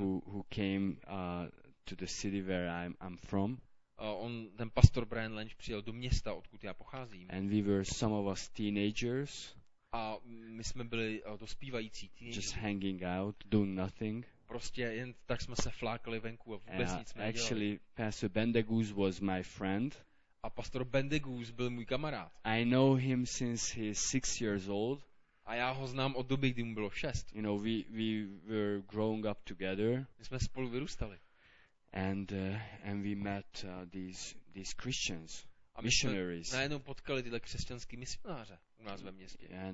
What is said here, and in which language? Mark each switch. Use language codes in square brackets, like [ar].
[en] Who came to the city where I'm from. [cs] On ten pastor Brian Lange přijel do města, odkud já pocházím. [en] And we were some of us teenagers. [cs] A my jsme byli dospívající teenagers. [en] Just hanging out, doing nothing. [cs] Prostě jen tak jsme se flákali venku a vůbec nic jsme nedělali. [en] Actually, Pastor Bendegus was my friend. [cs] A pastor Bendegus byl můj kamarád. [en] I know him since he is 6 years old. [cs] A já ho znám od doby, kdy mu bylo 6. [en] You know, we were growing up together. [cs] My jsme spolu vyrůstali. [en] And we met these Christians, missionaries. [cs] A my jsme potkali tyhle křesťanský misionáře u nás ve městě.